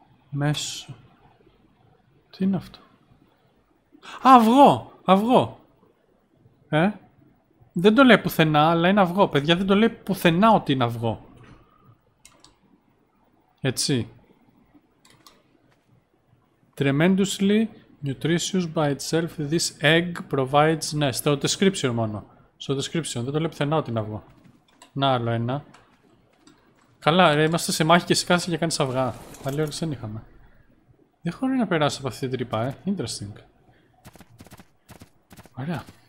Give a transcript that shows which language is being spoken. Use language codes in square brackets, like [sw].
[el] Μέσο. Τι είναι αυτό? Α, αυγό! Αυγό! Ε? Δεν το λέει πουθενά, αλλά είναι αυγό. Παιδιά, δεν το λέει πουθενά ότι είναι αυγό. Έτσι. [en] Tremendously nutritious by itself, this egg provides nest. [el] Στο description μόνο. Στο description. Δεν το λέει πουθενά ότι είναι αυγό. Να, άλλο ένα. Καλά, ρε, είμαστε σε μάχη και εσύ κάθεσαι και κάνεις αυγά. Παλιά όλες δεν είχαμε. Δεν χωρίς να περάσει από αυτή την τρύπα, ε. [en] Interesting. [el] Ωραία.